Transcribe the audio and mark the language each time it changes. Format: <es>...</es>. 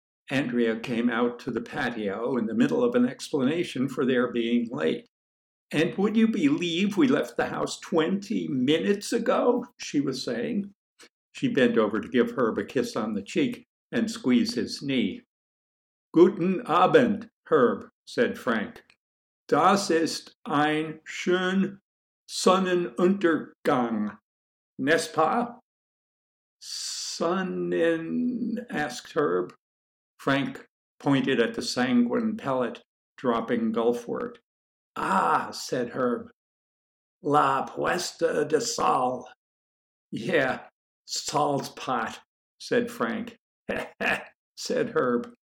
<en>Andrea came out to the patio in the middle of an explanation for their being late. And would you believe we left the house 20 minutes ago, she was saying. She bent over to give Herb a kiss on the cheek and squeeze his knee.</en> <de>Guten Abend,</de> <en>Herb, said Frank.</en> <de>Das ist ein schön Sonnenuntergang, nicht wahr?</de> <en>Sonnen, asked Herb. Frank pointed at the sanguine pellet dropping gulfward. Ah, said Herb,</en> <es>la puesta de sol.</es> <en>Yeah, sol's pot, said Frank. said Herb.</en>